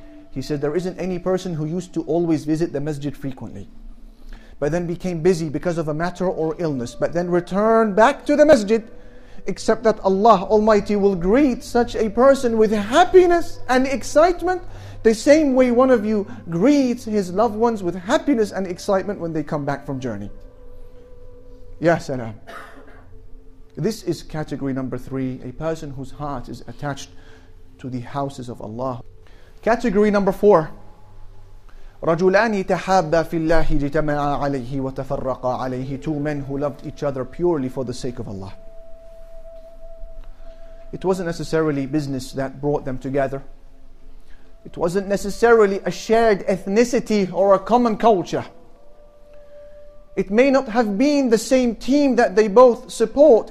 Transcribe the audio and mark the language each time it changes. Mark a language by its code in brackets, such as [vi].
[en] He said, there isn't any person who used to always visit the masjid frequently, but then became busy because of a matter or illness, but then returned back to the masjid, except that Allah Almighty will greet such a person with happiness and excitement, the same way one of you greets his loved ones with happiness and excitement when they come back from journey. Ya Salaam. This is category number three, a person whose heart is attached to the houses of Allah. Category number four. [ar] رجلان تحابا في الله اجتمعا عليه وتفرقا عليه. [en] Two men who loved each other purely for the sake of Allah. It wasn't necessarily business that brought them together. It wasn't necessarily a shared ethnicity or a common culture. It may not have been the same team that they both support.